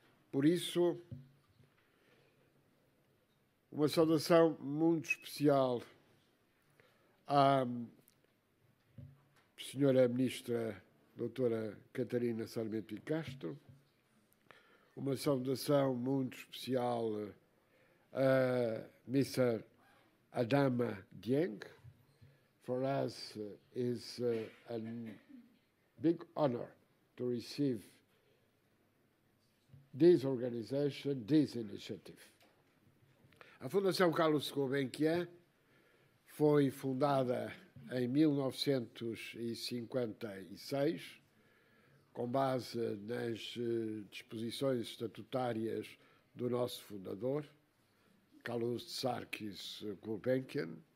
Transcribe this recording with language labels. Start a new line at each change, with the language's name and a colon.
Portuguese: Por isso, uma saudação muito especial à Senhora Ministra Doutora Catarina Sarmento e Castro, uma saudação muito especial à Mr. Adama DIENG.
English: For us is an big honor to receive this organization, this initiative.
Portuguese: A Fundação Calouste Gulbenkian foi fundada em 1956, com base nas disposições estatutárias do nosso fundador, Calouste Sarkis Gulbenkian,